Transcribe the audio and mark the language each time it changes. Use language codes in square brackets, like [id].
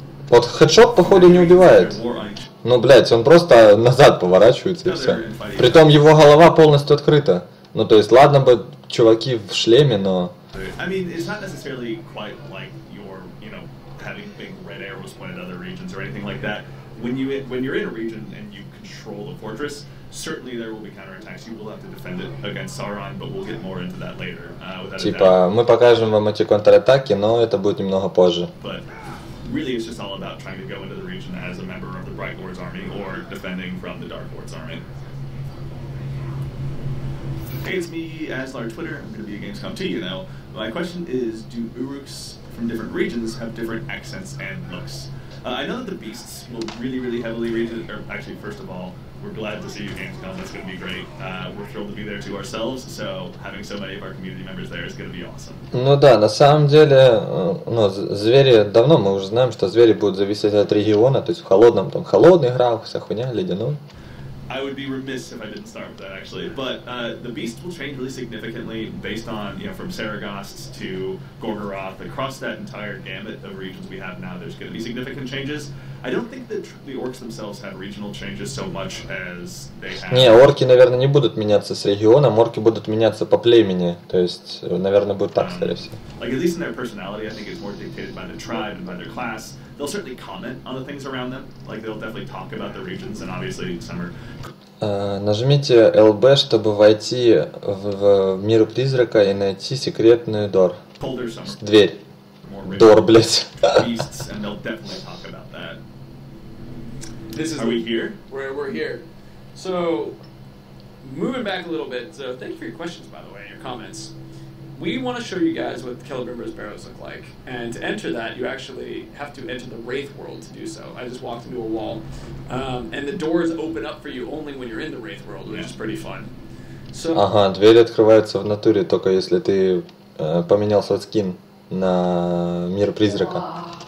[ru] Вот хедшот, походу, не убивает. Ну, блядь, он просто назад поворачивается и все. Притом его голова полностью открыта. Ну, то есть, ладно бы чуваки в шлеме, но... [en] I mean, it's not necessarily quite like you're, you know, having big red arrows pointed at other regions or anything like that. When you're in a region and you control the fortress, certainly there will be counterattacks. You will have to defend it against Sauron, but we'll get more into that later. [ru] Типа, мы покажем вам эти контратаки, но это будет немного позже. [en] But really, it's just all about trying to go into the region as a member of the Bright Lord's army or defending from the Dark Lord's army. Hey, it's me, Aslar Twitter. I'm going to be a Gamescom to you now. My question is, do Uruks from different regions have different accents and looks? I know that the beasts will really, really heavily region... Or actually, first of all, we're glad to see you, Gamescom. That's going to be great. We're thrilled to be there too ourselves, so having so many of our community members there is going to be awesome. [ru] Ну да, на самом деле, ну, звери... Давно мы уже знаем, что звери будут зависеть от региона, то есть в холодном, там, холодный грамм, вся хуйня, ледяной. [en] I would be remiss if I didn't start with that, actually. But the beast will change really significantly based on, you know, from Saragost to Gorgoroth. Across that entire gamut of regions we have now, there's going to be significant changes. I don't think that the orcs themselves have regional changes so much as they have. [ru] Не, орки, наверное, не будут меняться с регионом, орки будут меняться по племени. То есть, наверное, будет так, скорее всего. [en] Like, at least in their personality, I think it's more dictated by the tribe and by their class. They'll certainly comment on the things around them. Like, they'll definitely talk about the regions, and obviously some are... [ru] Нажмите LB, чтобы войти в мир призрака и найти секретную дор. [en] Colder Summer. [ru] Дверь. Дор, блядь. [en] Beasts, and they'll definitely talk about that. This is... Are we here? We're here. So, moving back a little bit. So, thank you for your questions, by the way, your comments. We want to show you guys what Celebrimbor's barrows look like. And to enter that, you actually have to enter the Wraith world to do so. I just walked into a wall. And the doors open up for you only when you're in the Wraith world, which is pretty fun. So, [ru] ага, двери открываются в натуре, только если ты поменял свой скин на мир призрака.